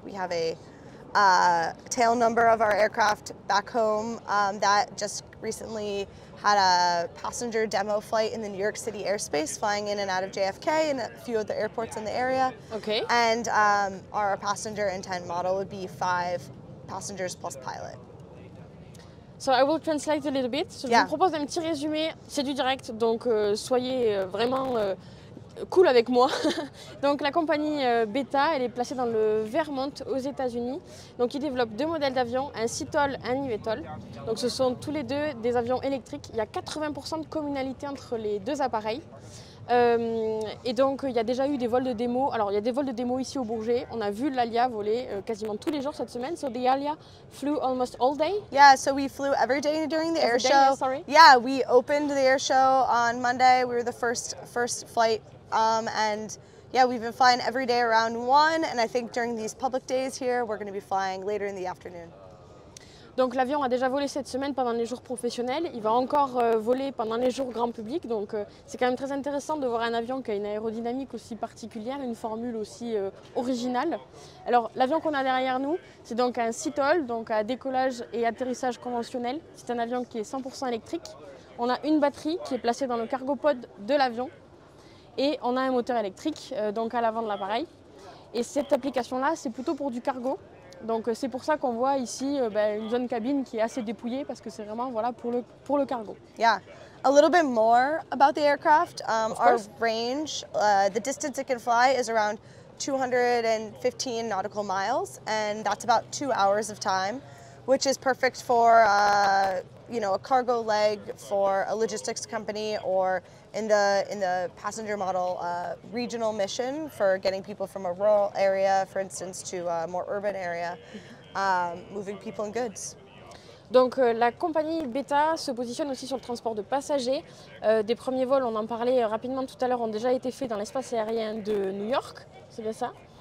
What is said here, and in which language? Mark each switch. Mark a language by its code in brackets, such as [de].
[en] We have a tail number of our aircraft back home that just recently had a passenger demo flight in the New York City airspace, flying in and out of JFK and a few of the airports in the area. Okay. And our passenger intent model would be 5 passengers plus pilot. So I will translate a little bit. So yeah. [fr] Je vous propose un petit résumé. C'est du direct, donc soyez vraiment cool avec moi. Donc la compagnie Beta, elle est placée dans le Vermont aux États-Unis. Donc ils développent 2 modèles d'avions, un CTOL et un IVTOL. Donc ce sont tous les deux des avions électriques. Il y a 80% de communalité entre les deux appareils. Et donc il y a déjà eu des vols de démo. Alors il y a des vols de démo ici au Bourget. On a vu l'Alia voler quasiment tous les jours cette semaine. [en] So the Alia flew almost all day. Yeah, so we flew every day during the every air day, Yeah, sorry. Yeah, we opened the air show on Monday. We were the first flight. And yeah, we've been flying every day around 1:00, and I think during these public days here, we're going to be flying later in the afternoon. [fr] Donc l'avion a déjà volé cette semaine pendant les jours professionnels. Il va encore voler pendant les jours grand public. Donc c'est quand même très intéressant de voir un avion qui a une aérodynamique aussi particulière, une formule aussi originale. Alors l'avion qu'on a derrière nous, c'est donc un CTOL, donc à décollage et atterrissage conventionnel. C'est un avion qui est 100% électrique. On a une batterie qui est placée dans le cargo pod de l'avion. Et on a un moteur électrique donc à l'avant de l'appareil. Et cette application-là, c'est plutôt pour du cargo. Donc c'est pour ça qu'on voit ici une jeune cabine qui est assez dépouillée parce que c'est vraiment voilà pour le cargo. [en] Yeah, a little bit more about the aircraft. Our range, the distance it can fly is around 215 nautical miles, and that's about 2 hours of time, which is perfect for a cargo leg for a logistics company or in the passenger model, regional mission for getting people from a rural area, for instance, to a more urban area, moving people and goods. [fr] Donc la compagnie Beta se positionne aussi sur le transport de passagers. Des premiers vols, on en parlait rapidement tout à l'heure, ont déjà été faits dans l'espace aérien de New York, c'est bien ça.